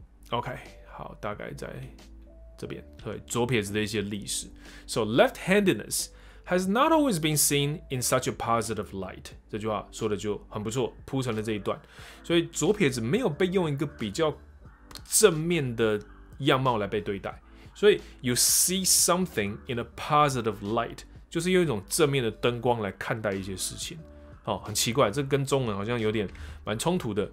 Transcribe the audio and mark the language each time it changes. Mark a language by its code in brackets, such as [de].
[zh] OK， 好，大概在这边，对，左撇子的一些历史。 [en] So left-handedness has not always been seen in such a positive light。 [zh] 这句话说的就很不错，铺成了这一段。所以左撇子没有被用一个比较正面的样貌来被对待。所以 [en] you see something in a positive light， [zh] 就是用一种正面的灯光来看待一些事情。哦，很奇怪，这跟中文好像有点蛮冲突的。